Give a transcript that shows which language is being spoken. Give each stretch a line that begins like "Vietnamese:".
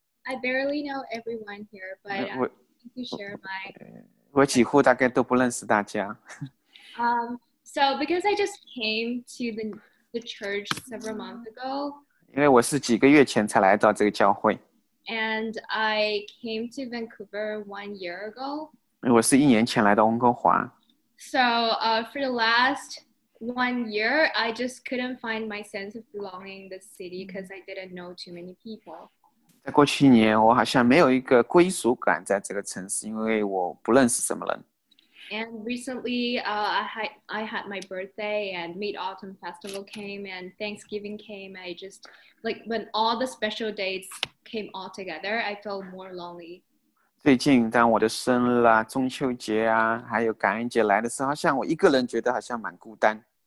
English: I barely know everyone here, but I want to share my...
Chinese: 我几乎大概都不认识大家。
English: So because I just came to the church several months ago.
Chinese: 因为我是几个月前才来到这个教会。
English: And I came to Vancouver 1 year ago.
Chinese: 我是一年前来到温哥华。
English: So for the last 1 year, I just couldn't find my sense of belonging in the city because I didn't know too many people.
Chinese: 在过去一年，我好像没有一个归属感在这个城市，因为我不认识什么人。
English: And recently, I had my birthday, and Mid Autumn Festival came, and Thanksgiving came. I just like when all the special dates came all together, I felt more lonely.
Chinese: 最近，当我的生日啊、中秋节啊，还有感恩节来的时候，好像我一个人觉得好像蛮孤单。